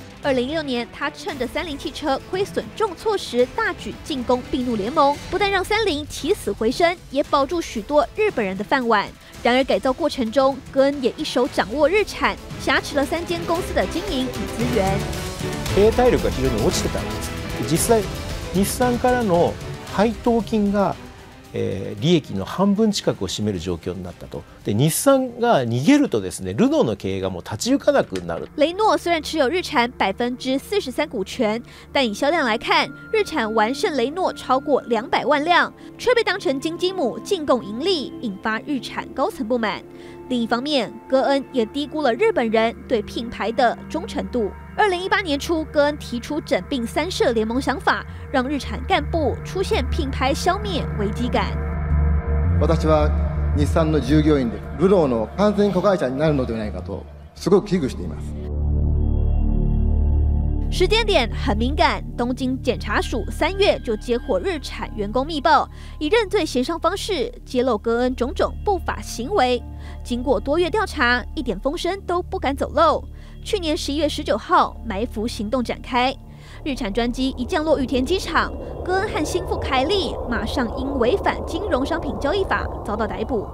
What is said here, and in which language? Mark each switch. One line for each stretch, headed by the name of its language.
Chinese: 2016年，他趁着三菱汽车亏损重挫时，大举进攻并怒联盟，不但让三菱起死回生，也保住许多日本人的饭碗。然而，改造过程中，戈恩也一手掌握日产，挟持了三间公司的经营与资源。
Japanese: 経営体力が非常に落ちてたんです。実際、日産からの配当金が利益の半分近くを占める状況になったと。で、日産が逃げるとですね、ルノーの経営がもう立ち行かなくなる。
Chinese: 雷诺虽然持有日产43%股权，但以销量来看，日产完胜雷诺超过200万辆，却被当成金鸡母进贡盈利，引发日产高层不满。另一方面，戈恩也低估了日本人对品牌的忠诚度。 2018年初，戈恩提出整并三社联盟想法，让日产干部出现品牌消灭危机感。
Japanese: 私は日産の従業員でルノーの完全子会社になるのではないかとすごく危惧しています。
Chinese: 时间点很敏感，东京检察署3月就接获日产员工密报，以认罪协商方式揭露戈恩种种不法行为。经过多月调查，一点风声都不敢走漏。去年11月19号，埋伏行动展开，日产专机一降落羽田机场，戈恩和心腹凯利马上因违反金融商品交易法遭到逮捕。